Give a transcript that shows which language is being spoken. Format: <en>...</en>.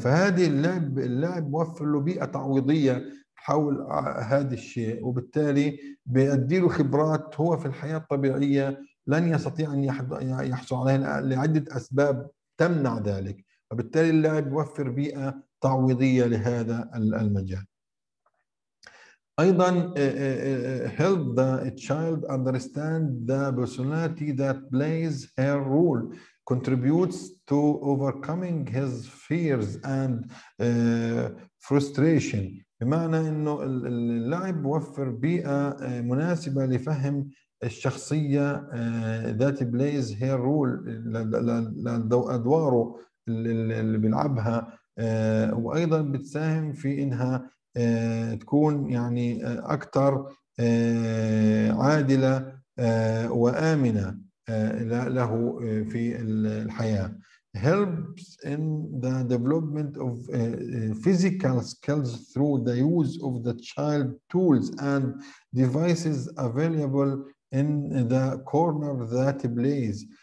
<ar>فهذه اللعب موفر له بيئة تعويضية حول هذا الشيء، وبالتالي بيأدي له خبرات هو في الحياة الطبيعية لن يستطيع ان يحصل عليها لعدة اسباب تمنع ذلك، وبالتالي اللعب يوفر بيئة تعويضية لهذا المجال. أيضا</ar> <en>help the child understand the personality that plays her role contributes to overcoming his fears and frustration.</en> <ar>بمعنى إنه اللعب يوفر بيئة مناسبة لفهم الشخصية</ar> <en>that plays her role،</en> <ar>لأدواره اللي بيلعبها، وأيضا بتساهم في إنها تكون يعني أكثر عادلة وآمنة له في الحياة.</ar> <en>Helps in the development of physical skills through the use of the child tools and devices available in the corner that plays.</en>